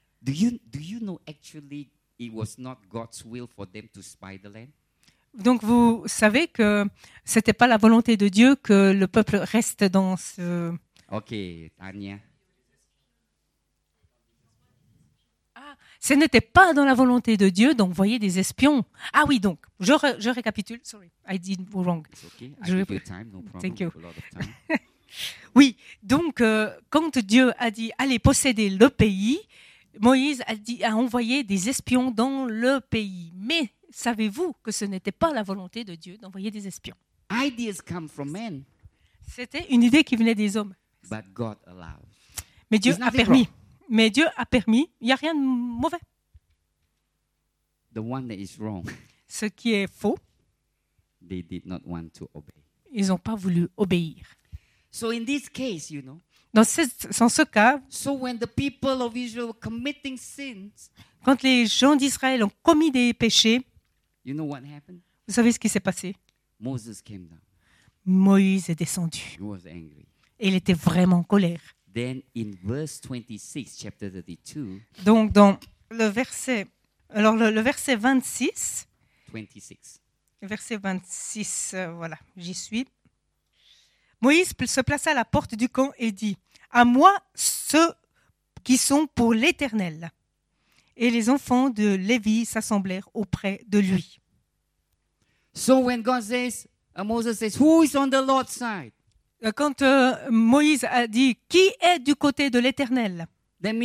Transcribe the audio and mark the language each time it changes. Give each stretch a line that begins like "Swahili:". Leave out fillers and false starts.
English: Do you know actually it was not God's will for them to spy the land?
French: Donc vous savez que c'était pas la volonté de Dieu que le peuple reste dans ce.
English: Ok, Tania.
French: Ce n'était pas dans la volonté de Dieu d'envoyer des espions. Ah oui, donc, je récapitule.
English: Sorry, I did wrong. It's okay, I give you time, no problem. Thank you.
French: Oui, donc, quand Dieu a dit « Allez posséder le pays », Moïse a envoyé des espions dans le pays. Mais savez-vous que ce n'était pas la volonté de Dieu d'envoyer des espions?
English: Ideas come from men.
French: C'était une idée qui venait des hommes.
English: But God allowed.
French: Mais Dieu a permis.
English: Wrong.
French: Mais Dieu a permis, il n'y a rien de mauvais.
English: The one that is wrong.
French: Ce qui est faux,
English: they did not want to obey.
French: Ils n'ont pas voulu obéir.
English: So in this case, you know,
French: dans ce cas,
English: so when the people of Israel were committing sins,
French: quand les gens d'Israël ont commis des péchés,
English: you know what happened?
French: Vous savez ce qui s'est passé?
English: Moses came down.
French: Moïse est descendu.
English: He was angry.
French: Et il était vraiment en colère.
English: Then in verse 26, chapter 32.
French: Donc dans le verset 26. 26. Verset 26, voilà, j'y suis. Moïse se plaça à la porte du camp et dit, à moi ceux qui sont pour l'Éternel. Et les enfants de Lévi s'assemblèrent auprès de lui.
English: So when God says, Moses says, who is on the Lord's side?
French: Quand Moïse a dit « Qui est du côté de l'Éternel ?»